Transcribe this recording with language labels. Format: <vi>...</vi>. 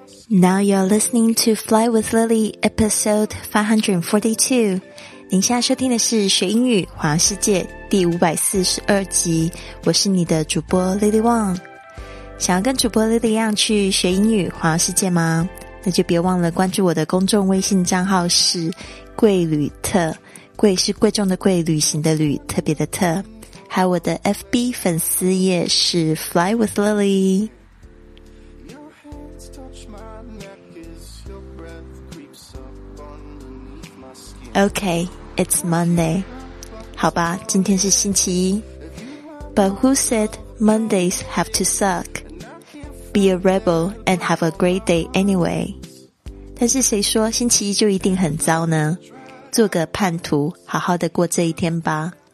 <en>Now you're listening to Fly with Lily, episode 542.</en> <zh>您现在收听的是学英语环游世界第542集。我是你的主播 Lily Wang。想要跟主播 Lily 一样去学英语环游世界吗？那就别忘了关注我的公众微信账号是贵旅特。贵是贵重的贵，旅行的旅，特别的特。还有我的 FB 粉丝页是 Fly with Lily。</zh> <en>Okay, it's Monday.</en> <zh>好吧，今天是星期一。</zh> <en>But who said Mondays have to suck? Be a rebel and have a great day anyway.</en> <zh>但是谁说星期一就一定很糟呢？做个叛徒，好好的过这一天吧。</zh>